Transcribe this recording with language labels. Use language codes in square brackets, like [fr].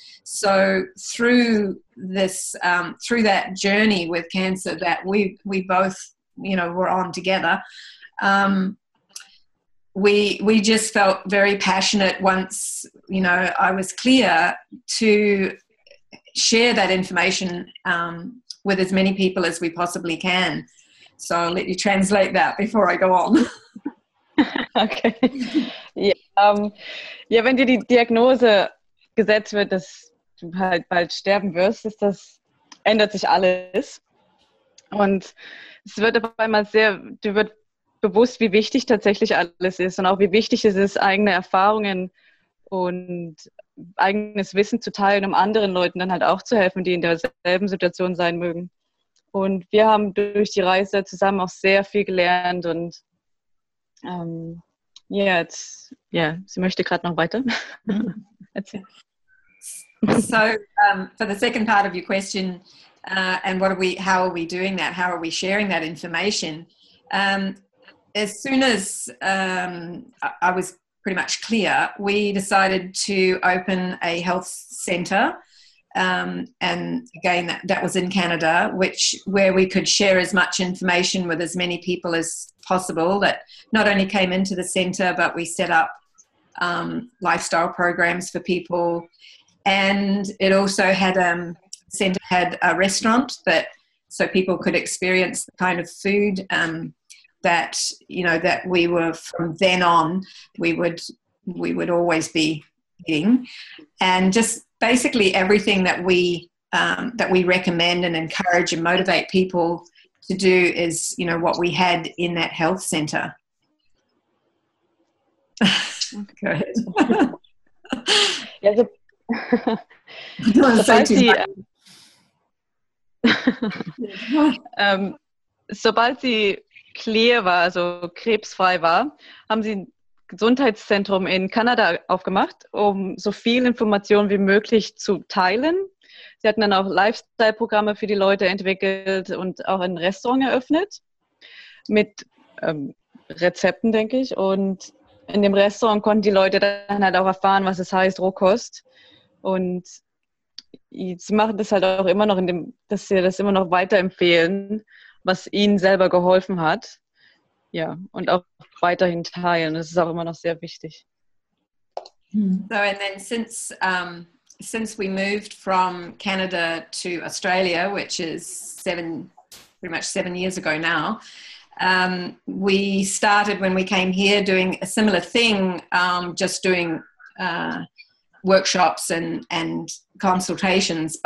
[en] So through this, through that journey with cancer that we both, were on together, we just felt very passionate once, I was clear to share that information with as many people as we possibly can. So I'll let you translate that before I go on. Okay. [de] Ja, wenn dir die Diagnose gesetzt wird, dass du halt bald sterben wirst, ändert sich alles. Und es wird auf einmal bewusst, wie wichtig tatsächlich alles ist und auch wie wichtig es ist, eigene Erfahrungen und eigenes Wissen zu teilen, um anderen Leuten dann halt auch zu helfen, die in derselben Situation sein mögen. Und wir haben durch die Reise zusammen auch sehr viel gelernt und sie möchte gerade noch weiter erzählen. So, for the second part of your question, and what are we, how are we doing that? How are we sharing that information? As soon as I was pretty much clear, we decided to open a health centre. And again, that was in Canada, which where we could share as much information with as many people as possible that not only came into the centre, but we set up lifestyle programs for people. And it also had centre had a restaurant that so people could experience the kind of food that, you know, that we were from then on we would always be eating. And just basically everything that we recommend and encourage and motivate people to do is, you know, what we had in that health center. Go ahead. Yeah, sobald sie clear war, also krebsfrei war, haben sie ein Gesundheitszentrum in Kanada aufgemacht, um so viel Information wie möglich zu teilen. Sie hatten dann auch Lifestyle-Programme für die Leute entwickelt und auch ein Restaurant eröffnet mit Rezepten, denke ich. Und in dem Restaurant konnten die Leute dann halt auch erfahren, was es heißt, Rohkost. Und sie machen das halt auch immer noch, dass sie das immer noch weiterempfehlen, was ihnen selber geholfen hat. Ja, und auch weiterhin teilen. Das ist auch immer noch sehr wichtig. [en] So, and then since we moved from Canada to Australia, which is pretty much seven years ago now, we started when we came here doing a similar thing, just doing workshops and consultations.